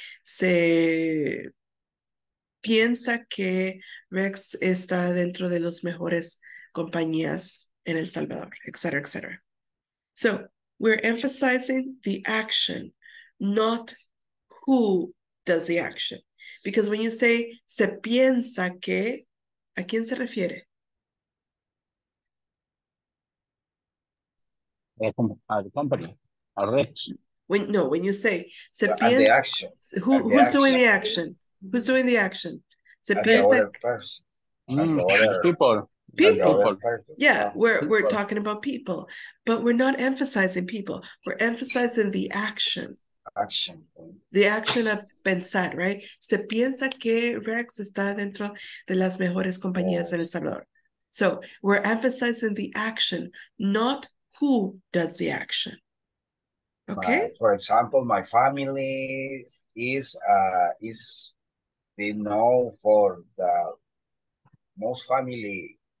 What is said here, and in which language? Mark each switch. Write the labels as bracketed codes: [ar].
[es] Se piensa que Rex está dentro de los mejores compañías en El Salvador, et cetera, et cetera. [en] So we're emphasizing the action, not who does the action. Because when you say, [es] se piensa que, ¿a quién se refiere? [en] A the company, a Rex. When you say, se at piensa, the action. Who's doing the action? [es] Se piensa [en] people. Yeah, we're talking about people, but we're not emphasizing people. We're emphasizing the action. Action. The action of pensar, right? [es] Se piensa que Rex está dentro de las mejores compañías en El Salvador. [en] So we're emphasizing the action, not who does the action. Okay. For example, my family is being known for the most family.